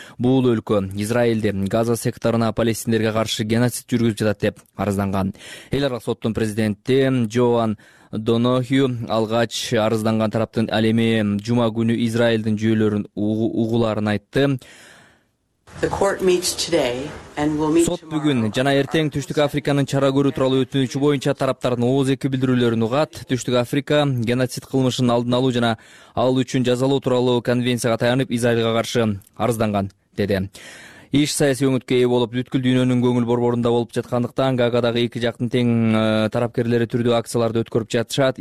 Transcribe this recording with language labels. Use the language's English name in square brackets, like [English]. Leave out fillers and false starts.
[Kyrgyz] Бул өлкө Израилди Газа секторуна палестиндерге каршы геноцид жүргүзүп жатат деп арызданган. Эл аралык соттун президенти Джоан Донохью алгач арызданган тараптын ал эми жума күнү Израилдин жүйөлөрүн угуларын айтты. [English] The court meets today and will meet [Kyrgyz] Сот бүгүн жана эртең Түштүк Африканын чара көрүү тууралуу өтүнүчү боюнча тараптардын 32 билдирүүлөрүн угат. Түштүк Африка геноцид кылмышын алдын алуу жана ал үчүн жазалоо тууралуу конвенцияга таянып Израилге каршы арызданган деди. Иш саясий өңүткө ээ болуп, бүткүл дүйнөнүн көңүл борборунда болуп жаткандыктан Гаагадагы эки жактын тең тарапкерлери түрдүү акцияларды өткөрүп жатышат.